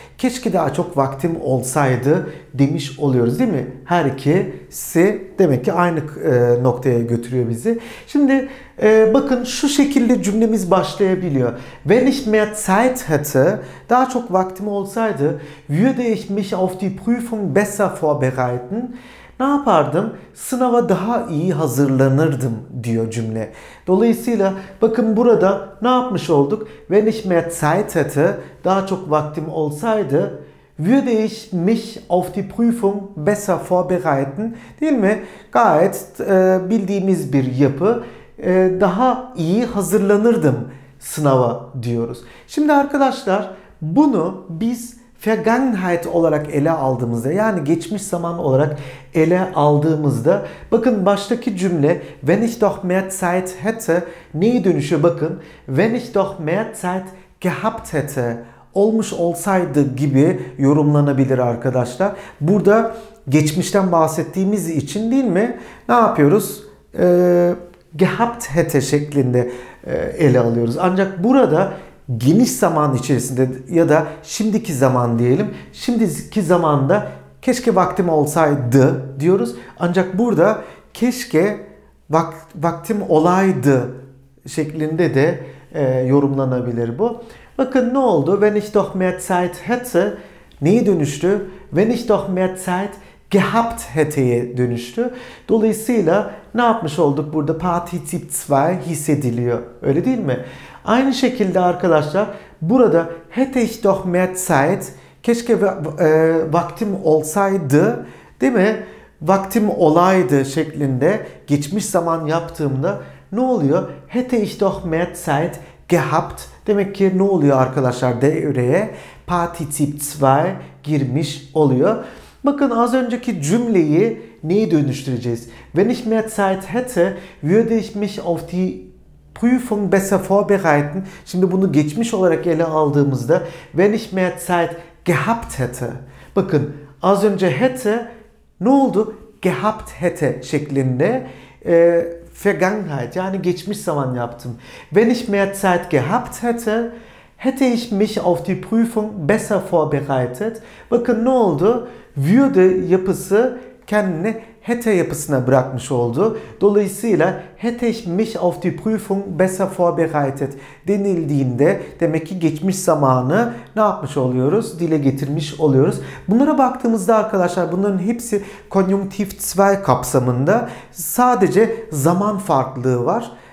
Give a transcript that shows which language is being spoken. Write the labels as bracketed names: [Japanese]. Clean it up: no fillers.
[Turkish] Keşke daha çok vaktim olsaydı demiş oluyoruz değil mi? Her ikisi demek ki aynı noktaya götürüyor bizi. Şimdi bakın şu şekilde cümlemiz başlayabiliyor. [German] Wenn ich mehr Zeit hätte, [Turkish] daha çok vaktim olsaydı, [German] würde ich mich auf die Prüfung besser vorbereiten. [Turkish] Ne yapardım? Sınava daha iyi hazırlanırdım diyor cümle. Dolayısıyla bakın burada ne yapmış olduk? [German] Wenn ich mehr Zeit hätte, [Turkish] daha çok vaktim olsaydı, [German] würde ich mich auf die Prüfung besser vorbereiten. [Turkish] Değil mi? Gayet bildiğimiz bir yapı. Daha iyi hazırlanırdım sınava diyoruz. Şimdi arkadaşlar bunu biz Vergangenheit olarak ele aldığımızda, yani geçmiş zaman olarak ele aldığımızda, bakın baştaki cümle [German] wenn ich doch mehr Zeit hätte [Turkish] neye dönüşüyor bakın? [German] Wenn ich doch mehr Zeit gehabt hätte, [Turkish] olmuş olsaydı gibi yorumlanabilir arkadaşlar. Burada geçmişten bahsettiğimiz için değil mi? Ne yapıyoruz? [German] Gehabt hätte [Turkish] şeklinde ele alıyoruz. Ancak burada geniş zaman içerisinde ya da şimdiki zaman diyelim. Şimdiki zamanda keşke vaktim olsaydı diyoruz. Ancak burada keşke vaktim olaydı şeklinde de yorumlanabilir bu. Bakın ne oldu? [German] Wenn ich doch mehr Zeit hätte [Turkish] neye dönüştü? [German] Wenn ich doch mehr Zeit gehabt hätte'ye dönüştü. [Turkish] Dolayısıyla ne yapmış olduk burada? Partizip 2 hissediliyor. Öyle değil mi? Aynı şekilde arkadaşlar burada [German] hätte ich doch mehr Zeit, [Turkish] keşke vaktim olsaydı değil mi? Vaktim olaydı şeklinde geçmiş zaman yaptığımda ne oluyor? [German] Hätte ich doch mehr Zeit gehabt. [Turkish] Demek ki ne oluyor arkadaşlar? Devreye Partizip 2 girmiş oluyor. Bakın az önceki cümleyi neye dönüştüreceğiz? [German] Wenn ich mehr Zeit hätte, würde ich mich auf die Prüfung besser vorbereiten. [Turkish] Şimdi bunu geçmiş olarak ele aldığımızda [German] wenn ich mehr Zeit gehabt hätte. [Turkish] Bakın az önce hätte ne oldu? [German] Gehabt hätte [Turkish] şeklinde Vergangenheit, yani geçmiş zaman yaptım. [German] Wenn ich mehr Zeit gehabt hätte, hätte ich mich auf die Prüfung besser vorbereitet. [Turkish] Bakın ne oldu? Würde yapısı kendini hätte yapısına bırakmış oldu. Dolayısıyla [German] hätte ich mich auf die Prüfung besser vorbereitet [Turkish] denildiğinde demek ki geçmiş zamanı ne yapmış oluyoruz? Dile getirmiş oluyoruz. Bunlara baktığımızda arkadaşlar bunların hepsi konjunktiv 2 kapsamında, sadece zaman farklılığı var.